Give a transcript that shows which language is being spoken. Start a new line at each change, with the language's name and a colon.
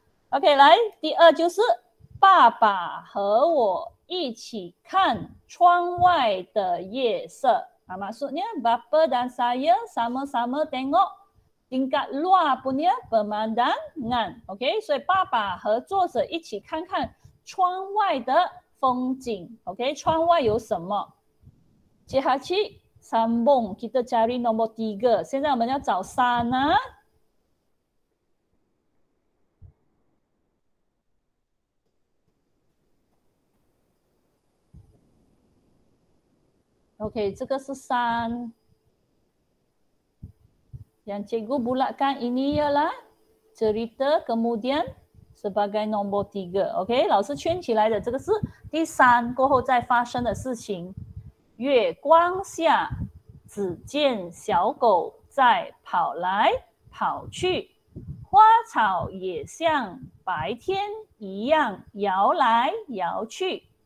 Chinese: OK, 来, 第二就是, 爸爸和我一起看窗外的夜色,
Malay: maksudnya, bapa dan saya sama-sama tengok tingkat luar punya pemandangan,
Chinese: OK, 所以, 爸爸和作者一起看看窗外的 风景, OK, 窗外有什么? 接下去, 三蹦,
Malay: kita cari nombor tiga.
Chinese: 现在我们要找三, 这个是三.
Malay: Yang cikgu bulatkan ini ialah cerita kemudian sebagai nombor tiga.
Chinese: OK, 老师圈起来的这个是 第三过后再发生的事情, 月光下, 只见小狗在跑来跑去, 花草也像白天一样摇来摇去,